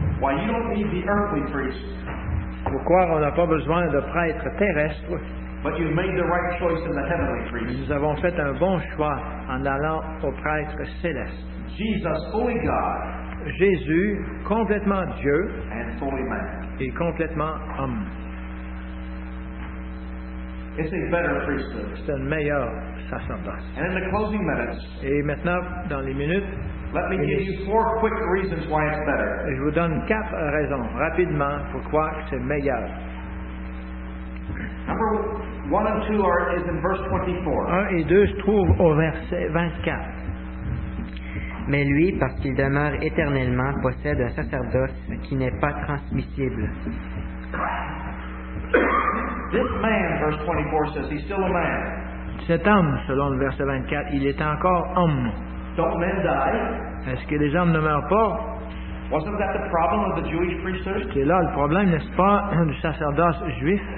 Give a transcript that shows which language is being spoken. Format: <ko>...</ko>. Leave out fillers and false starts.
<en>Why you don't need the earthly priest.</en> <fr>Pourquoi on n'a pas besoin de prêtres terrestres.</fr> <en>But you've made the right choice in the heavenly priest.</en> <fr>Nous avons fait un bon choix en allant au prêtre céleste.</fr> <en>Jesus, fully God.</en> <fr>Jésus, complètement Dieu.</fr> <en>And fully man.</en> <fr>Et complètement homme.</fr> <en>It's a better priesthood.</en> <fr>C'est un meilleur sacerdoce.</fr> <en>And in the closing minutes,</en> <fr>et maintenant, dans les minutes,</fr> <en>let me give you four quick reasons why it's better.</en> <fr>Je vous donne quatre raisons rapidement pourquoi c'est meilleur.</fr> <en>Number one and two are is in verse 24.</en> <fr>Un et deux se trouvent au verset 24. Mais lui, parce qu'il demeure éternellement, possède un sacerdoce qui n'est pas transmissible.</fr> <en>This man, verse 24 says, he's still a man.</en> <fr>Cet homme, selon le verset 24, il est encore homme.</fr> <en>Don't men die?</en> <fr>Est-ce que les hommes ne meurent pas?</fr> <en>Wasn't that the problem of the Jewish priesthood?</en> <fr>C'est là le problème, n'est-ce pas, du sacerdoce juif?</fr>